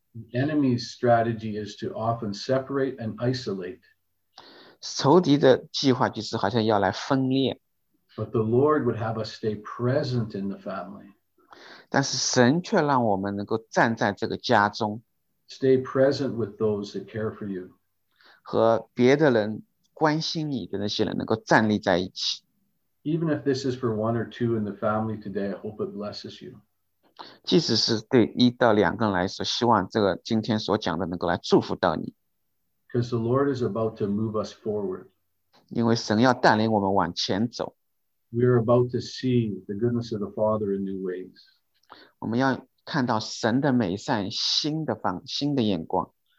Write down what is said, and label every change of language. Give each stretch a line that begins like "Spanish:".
English: The enemy's strategy is to often separate and isolate.
Chinese: 仇敌的计划就是好像要来分裂。
English: But the Lord would have us stay present in the family.
Chinese: 但是神却让我们能够站在这个家中，
English: stay present with those that care for you，
Chinese: 和别的人关心你的那些人能够站立在一起。
English: Even if this is for one or two in the family today， I hope it blesses you。
Chinese: 即使是对一到两个人来说，希望这个今天所讲的能够来祝福到你。
English: Because the Lord is about to move us forward，
Chinese: 因为神要带领我们往前走。
English: We are about to see the goodness of the Father in new ways。
Chinese: 我们要看到神的美善，新的眼光。